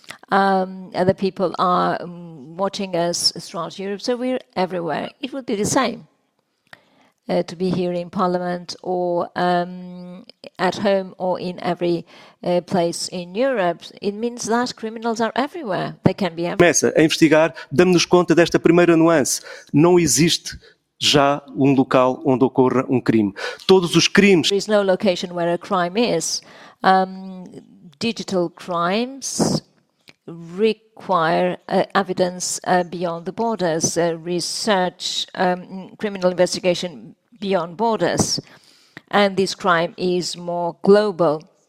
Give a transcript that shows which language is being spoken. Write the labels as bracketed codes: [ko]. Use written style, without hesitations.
[en] Other people are watching us throughout Europe, so we're everywhere. It would be the same to be here in Parliament or at home or in every place in Europe. It means that criminals are everywhere. They can be everywhere. [pt] Começa a investigar, damos-nos conta desta primeira nuance. Não existe já um local onde ocorra um crime. Todos os crimes... [en] There is no location where a crime is. Digital crimes require evidence beyond the borders, research, criminal investigation beyond borders, and this crime is more global.